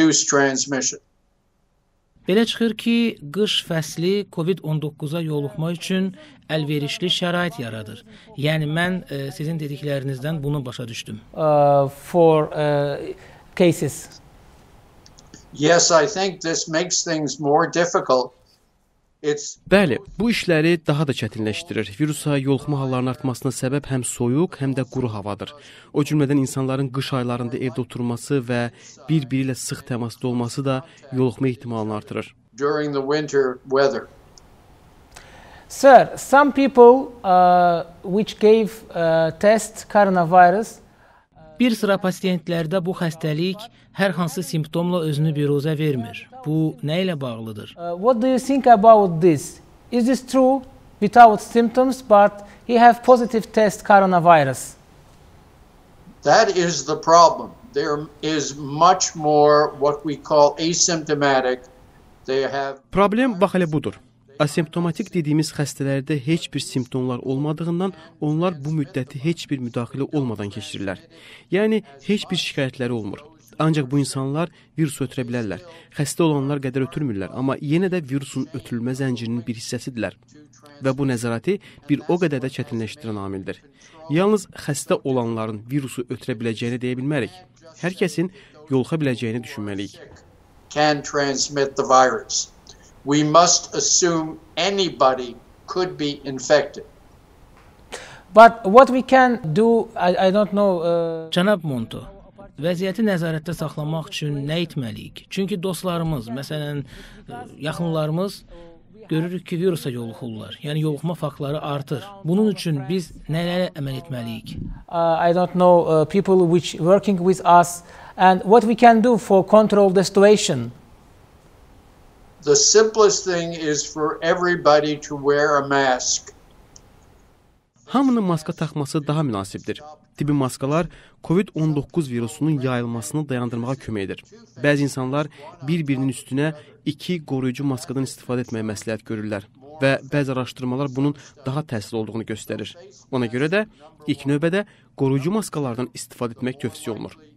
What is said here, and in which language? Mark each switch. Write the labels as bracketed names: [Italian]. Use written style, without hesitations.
[Azerbaijani] Belə çıxır ki, qış fəsli COVID-19-a yoluxmaq üçün əlverişli şərait yaradır. Yəni, mən sizin dediklərinizdən bunu başa düşdüm. [English] For cases. Yes, I think this makes things more difficult. [Azerbaijani] Bəli, bu işləri daha da çətinləşdirir. Virusa yoluxma hallarının artmasına səbəb həm soyuq, həm də quru havadır. O cümlədən insanların qış aylarında evdə oturması və bir-biri ilə sıx təmasda olması da yoluxma ehtimalını artırır. [English] During the winter weather. Sir, some people which gave test coronavirus [Azerbaijani] Bir sıra pasiyentlərdə bu xəstəlik hər hansı simptomla özünü biruzə vermir. Bu nə ilə bağlıdır? [English] What do you think about this? Is this true without symptoms but he have positive test coronavirus? That is the problem. There is much more what we call asymptomatic. They have [Azerbaijani] Problem bax elə budur. Asimptomatik dediyimiz xəstələrdə heç bir simptomlar olmadığından onlar bu müddəti heç bir müdaxilə olmadan keçirirlər. Yəni, heç bir şikayətləri olmur. Ancaq bu insanlar virus ötürə bilərlər. Xəstə olanlar qədər ötürmürlər, amma yenə də virusun ötürülmə zəncirinin bir hissəsidirlər. Və bu nəzarəti bir o qədər də çətinləşdirən amildir. Yalnız xəstə olanların virusu ötürə biləcəyini deyə bilmərik. Hər kəsin yoluxa biləcəyini düşünməliyik. [English] Can transmit the virus. We must assume anybody could be infected. But what we can do, I don't know. [Azerbaijani] Cənab Monto, vəziyyəti nəzarətdə saxlamaq üçün nə etməliyik? Çünki dostlarımız, məsələn, yaxınlarımız görürük ki, virusa yoluxurlar. Yəni, yoluxma faktları artır. Bunun üçün biz nələrə əməl etməliyik? [English] I don't know people which working with us and what we can do for control the situation. The simplest thing is for everybody to wear a mask. [Azerbaijani] Hamının maska taxması daha münasibdir. Tibbi maskalar COVID-19 virusunun yayılmasını dayandırmağa kömək edir. Bəzi insanlar bir-birinin üstünə iki qoruyucu maskadan istifadə etməyə məsləhət görürlər və bəzi araşdırmalar bunun daha təsirli olduğunu göstərir. Ona görə də ilk növbədə qoruyucu maskalardan istifadə etmək tövsiyə olunur.